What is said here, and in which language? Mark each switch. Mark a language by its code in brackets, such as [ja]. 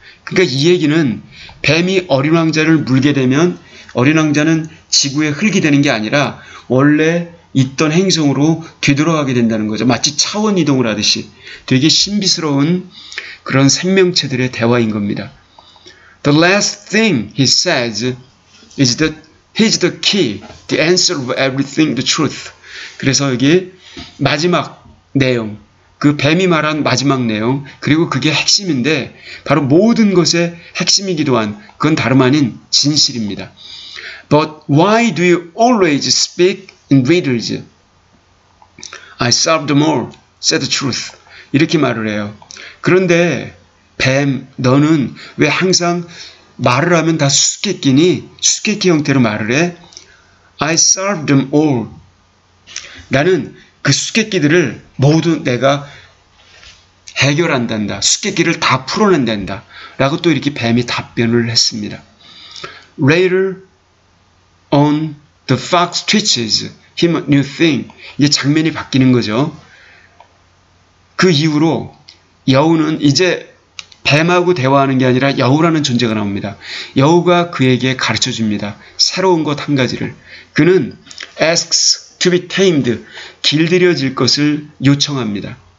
[ko] 그러니까 이 얘기는 뱀이 어린 왕자를 물게 되면 어린 왕자는 지구의 흙이 되는 게 아니라 원래 있던 행성으로 되돌아가게 된다는 거죠. 마치 차원 이동을 하듯이 되게 신비스러운 그런 생명체들의 대화인 겁니다. [en] The last thing he says is that he's the key, the answer of everything, the truth. [ko] 그래서 여기 마지막 내용, 그 뱀이 말한 마지막 내용, 그리고 그게 핵심인데 바로 모든 것의 핵심이기도 한 그건 다름 아닌 진실입니다. [en] But why do you always speak in riddles? I solve them all, said the truth. [ko] 이렇게 말을 해요. 그런데 뱀, 너는 왜 항상 말을 하면 다 수수께끼니? 수수께끼 형태로 말을 해? [en] I solve them all. [ko] 나는 그 수수께끼들을 모두 내가 해결한단다. 수수께끼를 다 풀어낸단다. 라고 또 이렇게 뱀이 답변을 했습니다. [en] Later on the fox teaches him a new thing. [ko] 이제 장면이 바뀌는 거죠. 그 이후로 여우는 이제 뱀하고 대화하는 게 아니라 여우라는 존재가 나옵니다. 여우가 그에게 가르쳐줍니다. 새로운 것 한 가지를. 그는 [en] asks to be tamed, [ko] 길들여질 것을 요청합니다.